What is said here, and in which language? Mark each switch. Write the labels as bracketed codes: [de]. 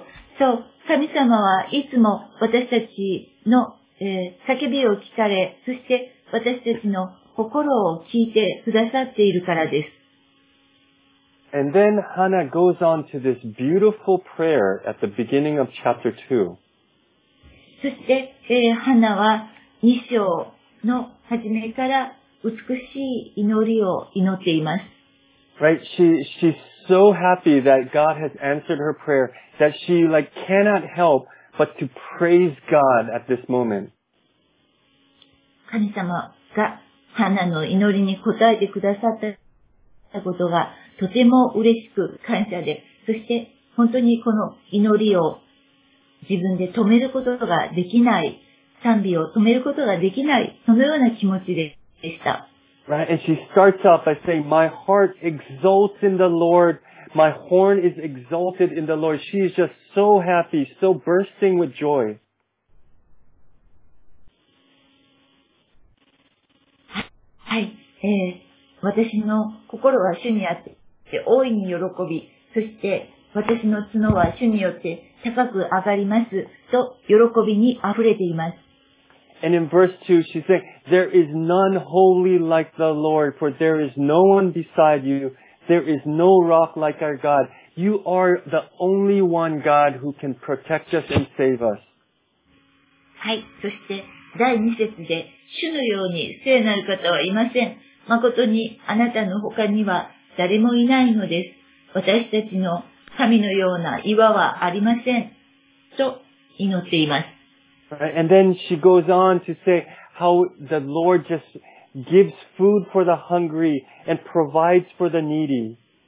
[en] I will. So, [ja] 神様はいつも私たちの、叫びを聞かれ、そして私たちの心を聞いてくださっているからです。 [en] And then Hannah goes on to this beautiful prayer at the beginning of chapter 2. [ja] そして、Hannah は2章の始めから美しい祈りを祈っています。 [en] Right, she's so happy that God has answered her prayer that she like cannot help but to praise God at this moment. [ja] 神様がハナの祈りに応えてくださったことがとても嬉しく感謝で、そして本当にこの祈りを自分で止めることができない、賛美を止めることができない、そのような気持ちでした。 [en] Right, and she starts off by saying, my heart exults in the Lord. My horn is exalted in the Lord. She is just so happy, so bursting with joy. [ja] はい、私の心は主にあって、大いに喜び、そして私の角は主によって高く上がります、と喜びに溢れています。 [en] And in verse 2, she's saying, there is none holy like the Lord, for there is no one beside you. There is no rock like our God. You are the only one God who can protect us and save us. [ja] はい。そして、第2節で、主のように聖なる方はいません。誠にあなたの他には誰もいないのです。私たちの神のような岩はありません。と祈っています。 [en] Right, and then she goes on to say how the Lord just gives food for the hungry and provides for the needy.